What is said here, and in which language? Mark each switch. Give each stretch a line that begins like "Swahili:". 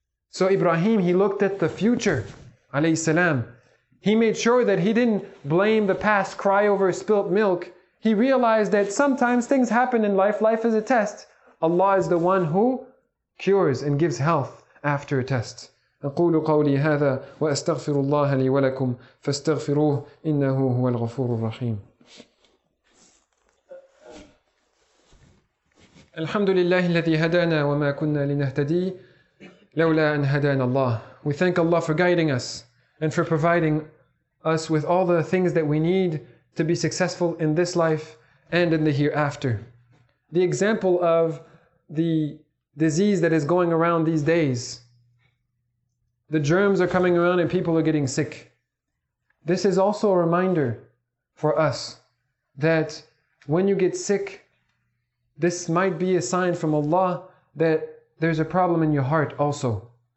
English: So Ibrahim, he looked at the future, alayhi salam. He made sure that he didn't blame the past, cry over spilt milk. He realized that sometimes things happen in life. Life is a test. Allah is the one who cures and gives health after a test.
Arabic: أقول قولي هذا وأستغفر الله لي ولكم فاستغفروه إنه هو الغفور الرحيم. الحمد لله الذي هدانا وما كنا لنهتدي لولا أن هدانا الله.
English: We thank Allah for guiding us and for providing us with all the things that we need to be successful in this life and in the hereafter. The example of the disease that is going around these days. The germs are coming around and people are getting sick. This is also a reminder for us that when you get sick, this might be a sign from Allah that there's a problem in your heart also.